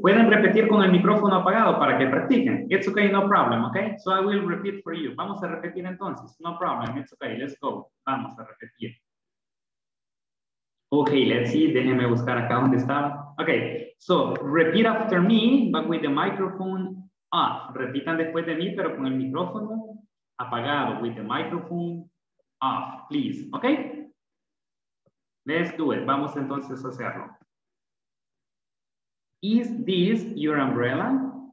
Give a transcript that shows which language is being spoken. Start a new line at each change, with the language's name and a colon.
Spanish: Pueden repetir con el micrófono apagado para que practiquen.
English: It's okay, no problem, okay? So I will repeat for you.
Spanish: Vamos a repetir entonces.
English: No problem, it's okay, let's go.
Spanish: Vamos a repetir.
English: Okay, let's see,
Spanish: déjenme buscar acá donde estaba.
English: Okay, so repeat after me, but with the microphone off.
Spanish: Repitan después de mí, pero con el micrófono apagado.
English: With the microphone off, please, okay? Let's do it.
Spanish: Vamos entonces a hacerlo.
English: Is this your umbrella?